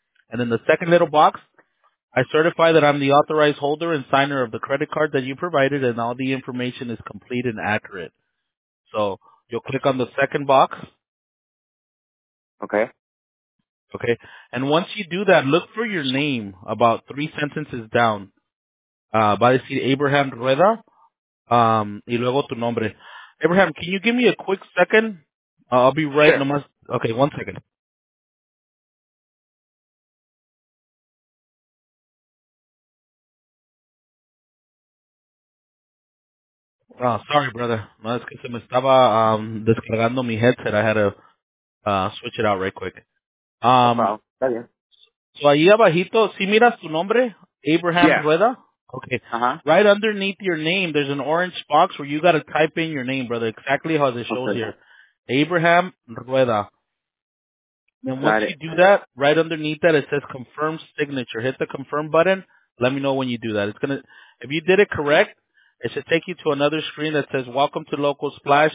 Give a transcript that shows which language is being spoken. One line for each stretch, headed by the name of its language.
English: And then the second little box, I certify that I'm the authorized holder and signer of the credit card that you provided, and all the information is complete and accurate. So you'll click on the second box. Okay. Okay, and once you do that, look for your name about three sentences down.
Spanish: Va a decir Abraham Rueda, y luego tu nombre.
English: Abraham, can you give me a quick second? I'll be right. Sure. Okay, 1 second. Oh, sorry, brother.
Spanish: No, es que se me estaba descargando mi headset.
English: I had to switch it out right quick. No problem.
Spanish: So ahí abajito, ¿sí miras tu nombre?
English: Abraham Rueda? Okay. Uh-huh. Right underneath your name, there's an orange box where you got to type in your name, brother, exactly how it shows here. Abraham Rueda. And once you do that, right underneath that, it says confirm signature. Hit the confirm button. Let me know when you do that. If you did it correct, it should take you to another screen that says welcome to Local Splash.